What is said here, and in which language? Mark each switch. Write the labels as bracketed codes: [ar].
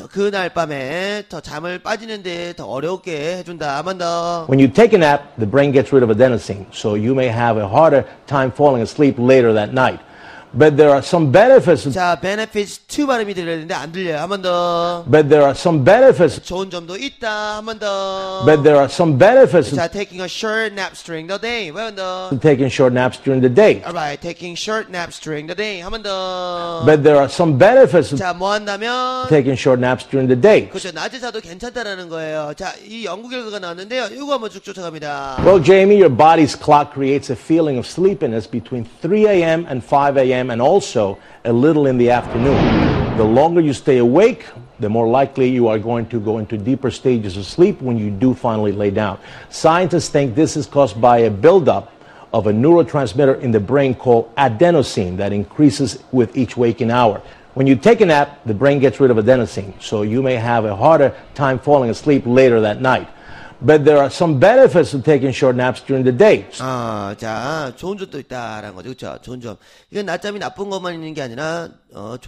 [ko] 그날 밤에 더 잠을 빠지는데 더 어렵게 해준다. 한 번 더. [en] When you take a nap, the brain gets rid of adenosine. So you may have a harder time falling asleep later that night. But there are some benefits. [ko] 자, benefits 2 발음이 들리는데 안 들려요. 한 번 더. [en] But there are some benefits. [ko] 좋은 점도 있다. 한 번 더. [en] But there are some benefits. 자, taking a short nap during the day. [ko] 왜 한 더. [en] Taking short naps during the day. Alright, taking short naps during the day. [ko] 한 번 더. [en] But there are some benefits. [ko] 자, 뭐 한다면. [en] Taking short naps during the day. [ko] 그렇죠, 낮에 자도 괜찮다라는 거예요. 자, 이 연구 결과가 나왔는데요. 이거 한번 쭉 쫓아갑니다. [en] Well, Jamie, your body's clock creates a feeling of sleepiness between 3 a.m. and 5 a.m. and also a little in the afternoon. The longer you stay awake, the more likely you are going to go into deeper stages of sleep when you do finally lay down. Scientists think this is caused by a buildup of a neurotransmitter in the brain called adenosine that increases with each waking hour. When you take a nap, the brain gets rid of adenosine, so you may have a harder time falling asleep later that night. But there are some benefits of taking short naps during the day. [ko] 자, 좋은 점도 있다라는 거죠. 그렇죠? 좋은 점. 이건 낮잠이 나쁜 것만 있는 게 아니라 좋은